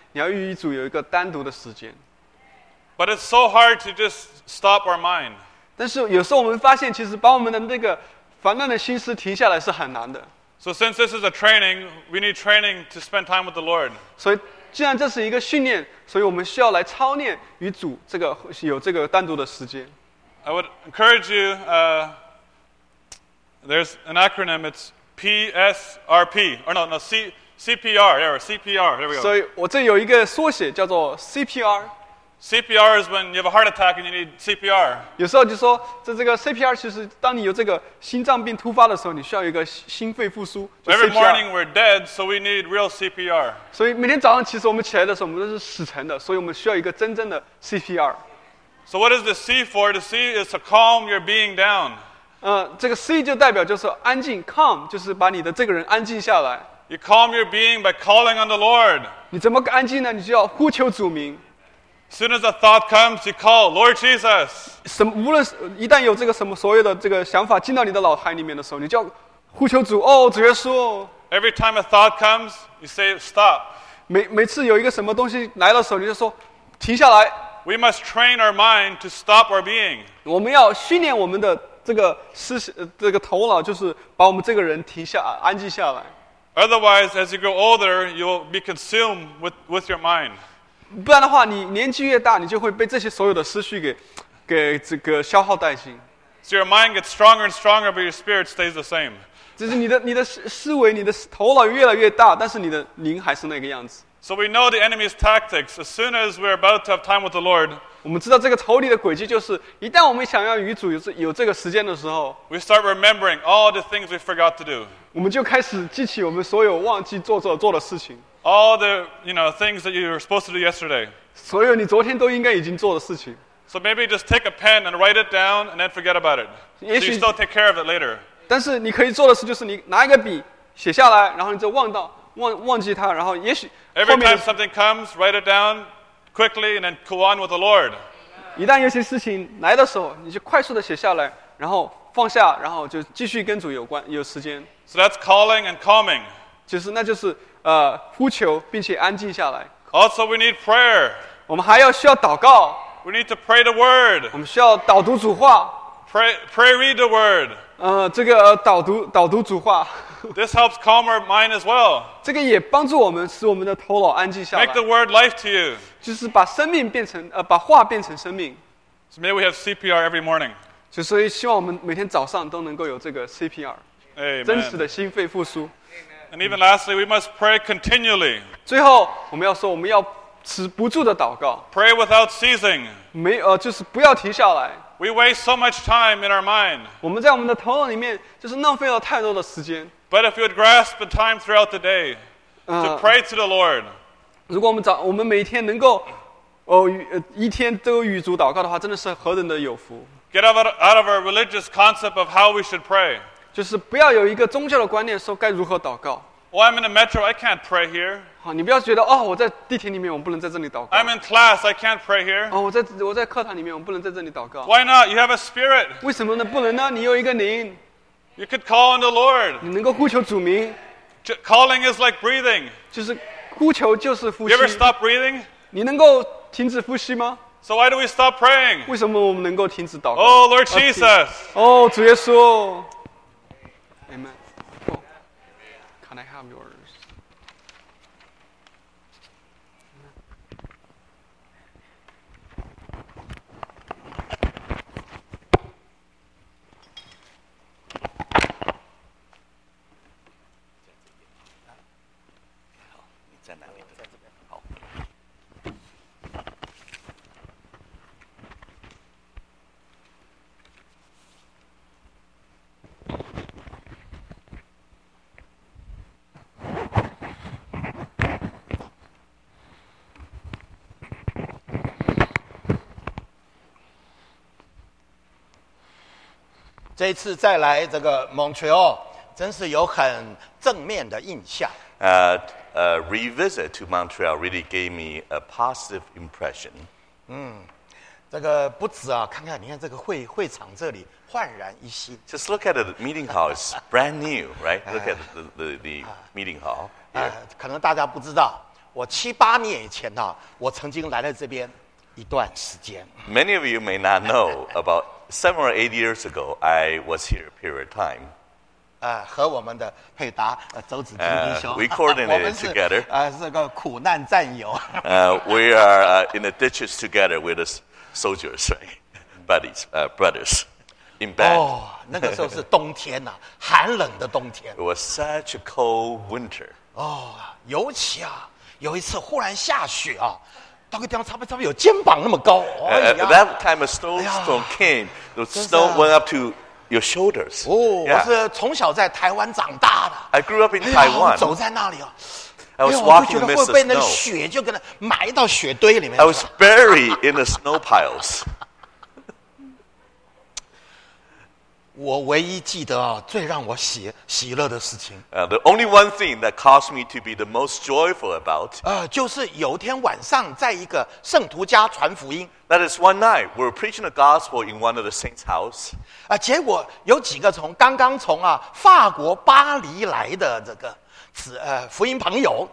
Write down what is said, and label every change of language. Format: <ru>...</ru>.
<zh>你要与主有一个单独的时间。</zh> <en>But it's so hard to just stop our mind.</en> <zh>但是有时候我们发现，其实把我们的那个烦乱的心思停下来是很难的。</zh> <en>So since this is a training, we need training to spend time with the Lord.</en> <zh>所以既然这是一个训练，所以我们需要来操练与主这个有这个单独的时间。</zh> <en>I would encourage you, there's an acronym, it's PSRP, or no, CPR, error, CPR, there we go.</en> <zh>所以我这有一个缩写叫做 CPR.</zh> <en>CPR is when you have a heart attack and you need CPR.</en> <zh>有时候就说这个 CPR 其实当你有这个心脏病突发的时候，你需要一个心肺复苏。</zh> <en>Every morning we're dead, so we need real CPR.</en> <zh>所以每天早上其实我们起来的时候我们都是死沉的，所以我们需要一个真正的 CPR.</zh> <en>So what is the C for? The C is to calm your being down.</en> <zh>这个 C 就代表就是安静 ，calm 就是把你的这个人安静下来。</zh> <en>You calm your being by calling on the Lord.</en> <zh>你怎么安静呢？你就要呼求主名。</zh> <en>As soon as a thought comes, you call Lord Jesus.</en> <zh>什么？无论一旦有这个什么所有的这个想法进到你的脑海里面的时候，你就要呼求主。哦，主耶稣。</zh> <en>Every time a thought comes, you say stop.</en> <zh>每次有一个什么东西来的时候，你就说停下来。</zh> <en>We must train our mind to stop our being.</en> <zh>我们要训练我们的这个思这个头脑，就是把我们这个人停下，安静下来。</zh> <en>Otherwise, as you grow older, you'll be consumed with your mind.</en> <zh>不然的话，你年纪越大，你就会被这些所有的思绪给这个消耗殆尽。</zh> <en>So your mind gets stronger and stronger, but your spirit stays the same.</en> <zh>就是你的思维，你的头脑越来越大，但是你的灵还是那个样子。</zh> <en>So we know the enemy's tactics. As soon as we're about to have time with the Lord,</en> <zh>我们知道这个仇敌的诡计，就是一旦我们想要与主有这个时间的时候，</zh> <en>we start remembering all the things we forgot to do.</en> <zh>我们就开始记起我们所有忘记做的事情。</zh> <en>All the things that you were supposed to do yesterday.</en> <zh>所有你昨天都应该已经做的事情。</zh> <en>So maybe just take a pen and write it down, and then forget about it. So you still take care of it later.</en> <zh>但是你可以做的事就是你拿一个笔写下来，然后你就忘记它，然后也许。</zh> <en>Every time something comes, write it down quickly and then go on with the Lord.</en> <zh>一旦有些事情来的时候，你就快速的写下来，然后放下，然后就继续跟主有时间。</zh> <en>So that's calling and calming.</en> <zh>就是呼求并且安静下来。</zh> <en>Also, we need prayer.</en> <zh>我们还要需要祷告。</zh> <en>We need to pray the word.</en> <zh>我们需要导读主话。</zh> <en>Pray, read the word.</en> <zh>导读主话。</zh> <en>This helps calm our mind as well.</en> <zh>这个也帮助我们，使我们的头脑安静下来。</zh> <en>Make the word life to you.</en> <zh>就是把生命变成把话变成生命。</zh> <en>So maybe we have CPR every morning.</en> <zh>就所以希望我们每天早上都能够有这个 CPR， 真实的心肺复苏。</zh> <en>And even lastly, we must pray continually.</en> <zh>最后我们要说，我们要持不住的祷告。</zh> <en>Pray without ceasing.</en> <zh>就是不要停下来。</zh> <en>We waste so much time in our mind.</en> <zh>我们在我们的头脑里面就是浪费了太多的时间。</zh> <en>But if you would grasp the time throughout the day to pray to the Lord,</en> <zh>如果我们每天能够一天都与主祷告的话，真的是何等的有福。</zh> <en>Get out of our religious concept of how we should pray.</en> <zh>就是不要有一个宗教的观念说该如何祷告。</zh> <en>Well, I'm in the metro. I can't pray here.</en> <zh>好，你不要觉得我在地铁里面，我不能在这里祷告。</zh> <en>I'm in class. I can't pray here.</en> <zh>我在课堂里面，我不能在这里祷告。</zh> <en>Why not? You have a spirit.</en> <zh>为什么呢？不能呢？你有一个灵。</zh> <en>You could call on the Lord.</en> <zh>你能够呼求主名。</zh> <en>Calling is like breathing.</en> <zh>就是呼求就是呼吸。</zh> <en>You ever stop breathing?</en> <zh>你能够停止呼吸吗？</zh> <en>So why do we stop praying?</en> <zh>为什么我们能够停止祷告？</zh> <en>Oh, Lord Jesus.</en> <zh>主耶稣。</zh> <en>Amen. Can I have yours?</en> <zh>这一次再来这个 Montreal， 真是有很正面的印象。</zh> <en>Revisit to Montreal really gave me a positive impression。</en> <zh>这个不止啊，看这个会场这里焕然一新。</zh> <en>Just look at the meeting hall, it's brand new, right? Look at the meeting hall.、</en> <zh>可能大家不知道，我七八年以前呢、我曾经来了这边一段时间。</zh> <en>Many of you may not know about seven or eight years ago, I was here a period of time.</en> <zh>和我们的佩达周子金弟兄</zh> <en>we coordinated together.</en> <zh>是个苦难战友</zh> <en>we are in the ditches together with the soldiers, right? Buddies, brothers, in bed.</en> <zh>那个时候是冬天呐，寒冷的冬天。</zh> <en>It was such a cold winter.</en> <zh>尤其有一次忽然下雪到个地方差不多有肩膀那么高。</zh> <en>That time a snowstorm came, the snow went up to your shoulders.</en> <zh>我是从小在台湾长大的。</zh> <en>I grew up in Taiwan.</en> <zh>走在那里啊。</zh> <en>I was walking amidst the snow.</en> <zh>会被那雪就给它埋到雪堆里面。</zh> <en>I was buried in the snow piles.</en> <zh>我唯一记得最让我喜乐的事情。</zh> <en>The only one thing that caused me to be the most joyful about.</en> <zh>就是有天晚上在一个圣徒家传福音。</zh> <en>That is one night we were preaching the gospel in one of the saints' house.</en> <zh>结果有几个从刚刚从法国巴黎来的这个福音朋友。</zh>